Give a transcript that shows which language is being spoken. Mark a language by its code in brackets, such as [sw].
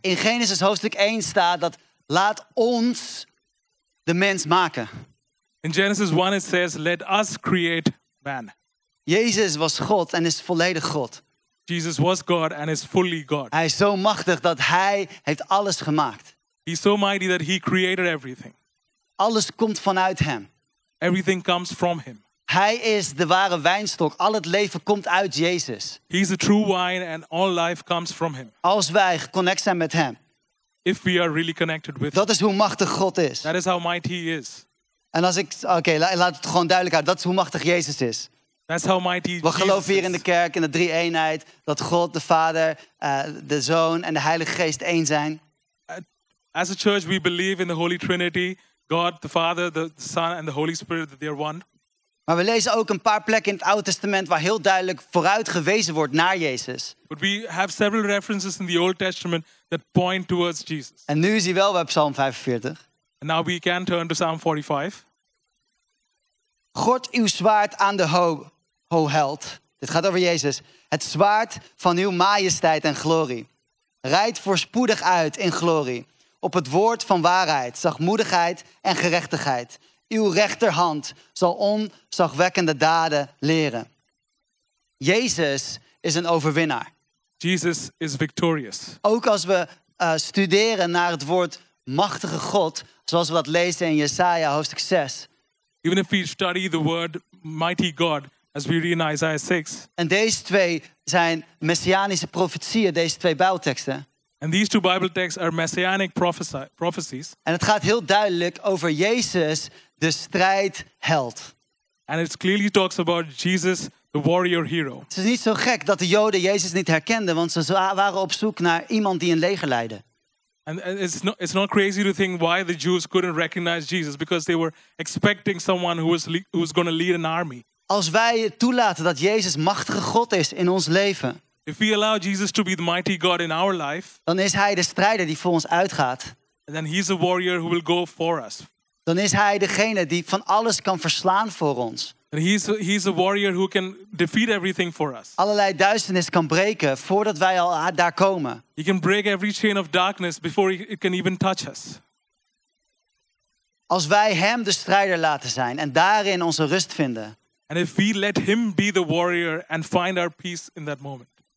[nl] In Genesis hoofdstuk 1 staat dat laat ons de mens maken. [en] In Genesis 1 it says, let us create man. [nl] Jezus was God en is volledig God. [en] Jesus was God and is fully God. [nl] Hij is zo machtig dat hij heeft alles gemaakt. [en] He's so mighty that he created everything. [nl] Alles komt vanuit hem. [en] Everything comes from him. [nl] Hij is de ware wijnstok. Al het leven komt uit Jezus. [en] He is the true wine and all life comes from him. [nl] Als wij geconnect zijn met hem. [en] If we are really connected with [nl] him. Dat is hoe machtig God is. [en] That is how mighty he is. [nl] En als ik, laat het gewoon duidelijk uit. Dat is hoe machtig Jezus is. [en] That's how mighty [nl] we geloven [en] Jesus [nl] hier in de kerk, in de drie eenheid, dat God, de Vader, de Zoon en de Heilige Geest één zijn. [en] As a church we believe in the Holy Trinity. God, the Father, the Son and the Holy Spirit, they are one. [nl] Maar we lezen ook een paar plekken in het Oude Testament waar heel duidelijk vooruit gewezen wordt naar Jezus. [en] But we have several references in the Old Testament that point towards Jesus. [nl] En nu is hij wel bij Psalm 45. [en] And now we can turn to Psalm 45. [nl] Gord uw zwaard aan de ho held. Dit gaat over Jezus. Het zwaard van uw majesteit en glorie. Rijd voorspoedig uit in glorie. Op het woord van waarheid, zachtmoedigheid en gerechtigheid. Uw rechterhand zal onzagwekkende daden leren. Jezus is een overwinnaar. [en] Jesus is victorious. [nl] Ook als we studeren naar het woord machtige God, zoals we dat lezen in Jesaja hoofdstuk 6. [en] Even if we study the word mighty God, as we read in Isaiah 6. [nl] En deze twee zijn messianische profetieën, deze twee Bijbelteksten. [en] And these two Bible texts are messianic prophecies. [nl] En het gaat heel duidelijk over Jezus, de strijdheld. [en] And it clearly talks about Jesus, the warrior hero. [nl] Het is niet zo gek dat de Joden Jezus niet herkenden, want ze waren op zoek naar iemand die een leger leidde. [en] And it's not crazy to think why the Jews couldn't recognize Jesus, because they were expecting someone who was going to lead an army. [nl] Als wij toelaten dat Jezus machtige God is in ons leven. [en] If we allow Jesus to be the mighty God in our life, [nl] dan is hij de strijder die voor ons uitgaat. [en] And then he's a warrior who will go for us. [nl] Dan is hij degene die van alles kan verslaan voor ons. [en] And he's a warrior who can defeat everything for us. [nl] Allerlei duisternis kan breken voordat wij al daar komen. [en] He can break every chain of darkness before it can even touch us. [nl] Als wij hem de strijder laten zijn en daarin onze rust vinden. [en] And if we let him be the warrior and find our peace in that moment.